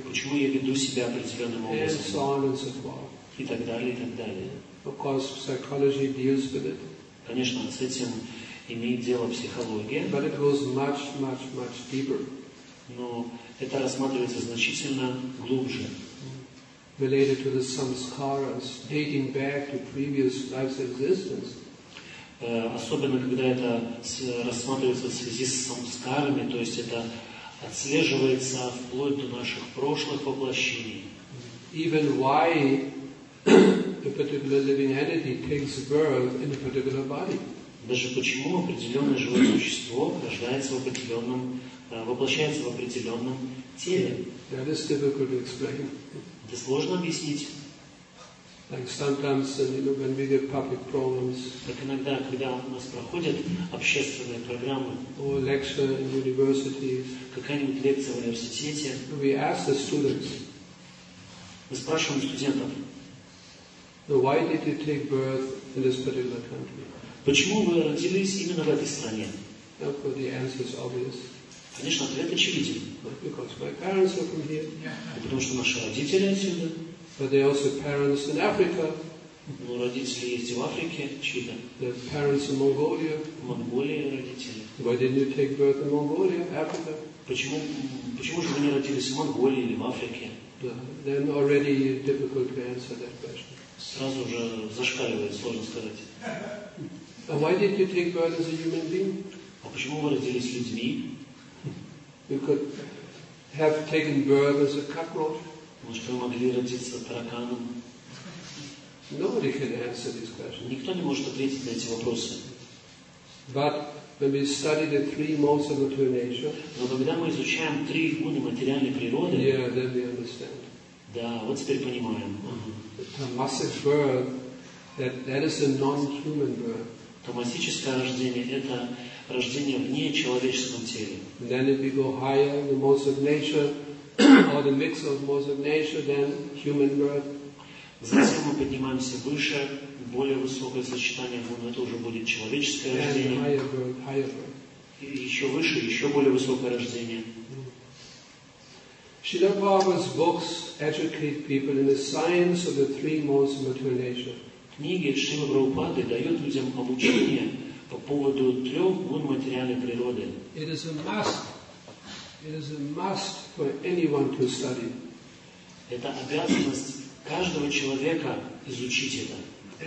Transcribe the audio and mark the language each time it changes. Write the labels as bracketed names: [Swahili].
[Russian] Почему я веду себя определенным образом? [English] And so on and so forth. [Russian] И так далее, и так далее. [English] Because psychology deals with it. [Russian] Конечно, с этим имеет дело психология. [English] But it goes much, much, much deeper. [Russian] Но это рассматривается значительно глубже. [English] Related to the samskaras, dating back to previous life's existence. [Russian] Особенно, когда это рассматривается в связи с самскарами, то есть это отслеживается вплоть до наших прошлых воплощений. [English] Even why a particular living entity takes birth in a particular body. [Russian] Даже почему определенное живое существо рождается в определенном, воплощается в определенном теле. [English] That is difficult to explain. [Russian] Это сложно объяснить. [English] Like sometimes, you know, when we get public programs, [Russian] так иногда, когда у нас проходят общественные программы, [English] or lecture in universities, [Russian] какая-нибудь лекция в университете, [English] we ask the students, [Russian] мы спрашиваем студентов, [English] why did you take birth in this particular country? [Russian] Почему вы родились именно в этой стране? [English] Of course, the answer is obvious. [Russian] Конечно, ответ очевиден. [English] Because my parents are from here. Yeah. [Russian] Потому что наши родители отсюда. [English] But they also parents in Africa. [Russian] Но родители есть в Африке, чьи-то. [English] Their parents in Mongolia. [Russian] Монголия родители. [English] Why didn't you take birth in Mongolia, Africa? [Russian] Почему же вы не родились в Монголии или в Африке? [English] Then already difficult to answer that question. [Russian] Сразу же зашкаливает, сложно сказать. [English] And why did you take birth as a human being? [Russian] А почему вы родились людьми? [English] You could have taken birth as a cockroach. [Russian] Может, вы могли родиться тараканом? [English] Nobody can answer this question. [Russian] Никто не может ответить на эти вопросы. [English] But when we study the three modes of material nature, [Russian] но когда мы изучаем три гуны материальной природы, [English] yeah, then we understand. [Russian] Да, вот теперь понимаем. [English] Tamasic birth, that is a non-human birth. [Russian] Томасическое рождение – это рождение в нечеловеческом теле. [English] Then if we go higher, the modes of nature, or the mix of modes of nature, then human birth. [Russian] Затем мы поднимаемся выше, более высокое сочетание, но это уже будет человеческое рождение. [English] And higher birth. [Russian] И еще выше, еще более высокое рождение. [English] Srila Prabhupada's books educate people in the science of the three modes of material nature. [Russian] Книги Шрилы Прабхупады дают людям обучение по поводу трех гун материальной природы. [English] It is a must. It is a must for anyone to study. [Russian] Это обязанность каждого человека изучить это.